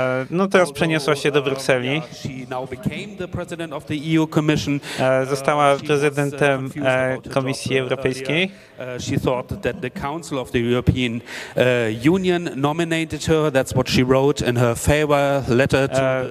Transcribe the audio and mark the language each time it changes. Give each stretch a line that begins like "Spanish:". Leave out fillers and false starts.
Polish: No teraz przeniosła się do Brukseli.
English: She now became the president of the EU Commission.
Polish: Została prezydentem Komisji Europejskiej.
English: She thought that the Council of the European Union nominated her. That's what she wrote in her farewell letter to.